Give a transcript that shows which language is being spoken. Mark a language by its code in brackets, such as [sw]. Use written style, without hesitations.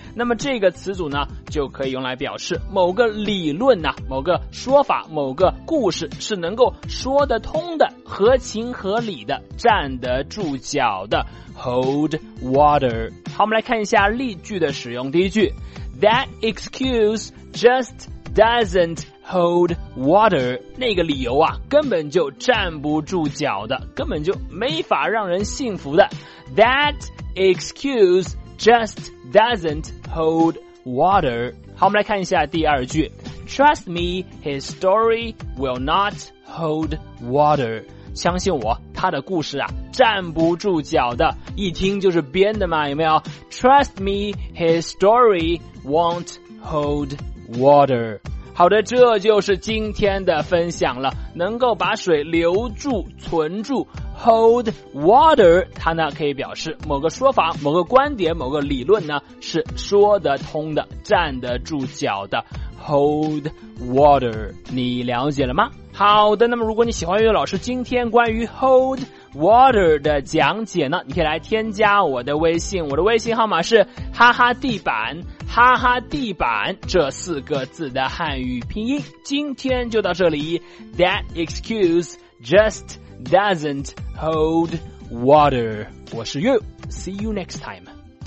[zh] 那么这个词组呢就可以用来表示某个理论呢、某个说法、某个故事是能够说得通的、合情合理的、站得住脚的。 [en] Hold water。 [zh] 好，我们来看一下例句的使用。第一句， [en] That excuse just doesn't hold water。 [zh] 那个理由啊根本就站不住脚的，根本就没法让人信服的。 [en] That excuse just doesn't hold water。 [zh] 好，我们来看一下第二句， [en] Trust me, his story will not hold water。 [zh] 相信我，他的故事啊站不住脚的，一听就是编的嘛，有没有？ [en] Trust me, his story won't hold water。 [zh] 好的，这就是今天的分享了，能够把水留住存住。 Hold water， 它呢可以表示某个说法、某个观点、某个理论呢是说得通的、站得住脚的。 Hold water， 你了解了吗？好的，那么如果你喜欢岳老师今天关于 hold water 的讲解呢，你可以来添加我的微信，我的微信号码是哈哈地板，哈哈地板这四个字的汉语拼音。今天就到这里， [en] That excuse just doesn't hold water。 [zh] 我是 [en] You, See you next time。